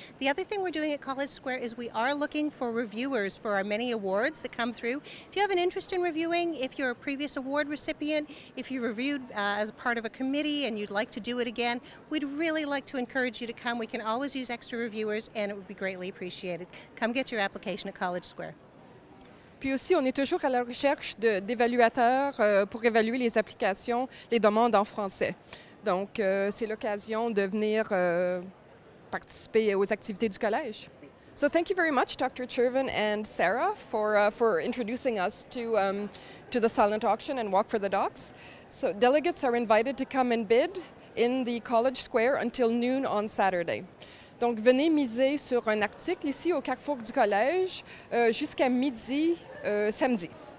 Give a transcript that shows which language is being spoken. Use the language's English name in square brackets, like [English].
[English] The other thing we're doing at College Square is we are looking for reviewers for our many awards that come through. If you have an interest in reviewing, if you're a previous award recipient, if you reviewed as a part of a committee and you'd like to do it again, we'd really like to encourage you to come. We can always use extra reviewers, and it would be greatly appreciated. Come get your application at College Square. [French] Puis aussi, on est toujours à la recherche d'évaluateurs pour évaluer les applications, les demandes en français. Donc, c'est l'occasion de venir participer aux activités du collège. [English] So thank you very much, Dr. Cervin and Sarah, for introducing us to the silent auction and Walk for the Docs. So delegates are invited to come and bid in the College Square until noon on Saturday. [French] Donc venez miser sur un article ici au carrefour du collège jusqu'à midi samedi.